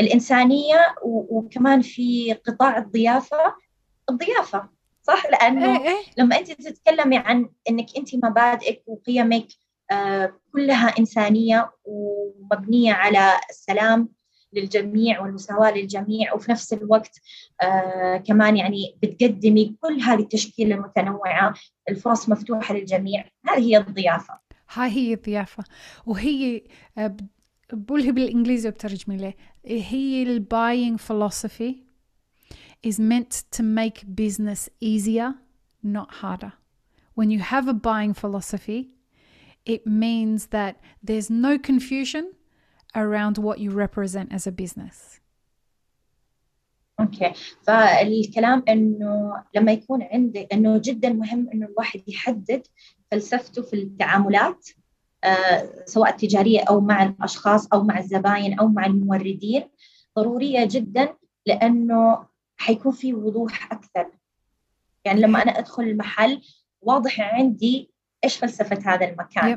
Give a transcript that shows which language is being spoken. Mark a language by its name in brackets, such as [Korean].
[Arabic] الإنسانية وكمان في قطاع الضيافة، الضيافة صح، لأنه لما أنت تتكلمي عن إنك أنت مبادئك وقيمك كلها إنسانية ومبنية على السلام للجميع والمساواة للجميع، وفي نفس الوقت كمان يعني بتقدمي كل هذه التشكيلة المتنوعة، الفرص مفتوحة للجميع، هذه هي الضيافة. هاي هي الضيافة، وهي بقولها بالإنجليزي وبترجمي لي، هي الـ [English] buying philosophy is meant to make business easier not harder. When you have a buying philosophy it means that there's no confusion around what you represent as a business. Okay. [Arabic] فالكلام انه لما يكون عندك انه جدا مهم انه الواحد يحدد فلسفته في التعاملات سواء التجارية او مع الاشخاص او مع الزباين او مع الموردين، ضرورية جدا لانه حيكون في وضوح اكثر، يعني لما انا ادخل المحل واضح عندي ايش فلسفة هذا المكان.